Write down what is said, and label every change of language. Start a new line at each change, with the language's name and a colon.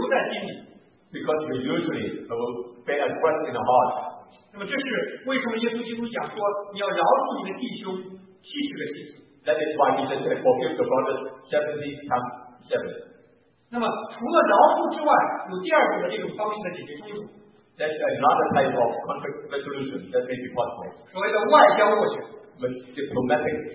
Chinese: 因为我们倾向于把这个事情留在心里。
English: Because we usually will bear a grudge in our heart.
Chinese: 那么这是为什么耶稣基督讲说，你要饶恕你的弟兄七十个弟兄。
English: That is why Jesus said, forgive the brother 70 times 7.
Chinese: 那么除了饶恕之外，有第二种的这种方式的解决冲突。
English: That's another type of conflict resolution that may be possible.
Chinese: 所谓的外交斡旋，diplomacy.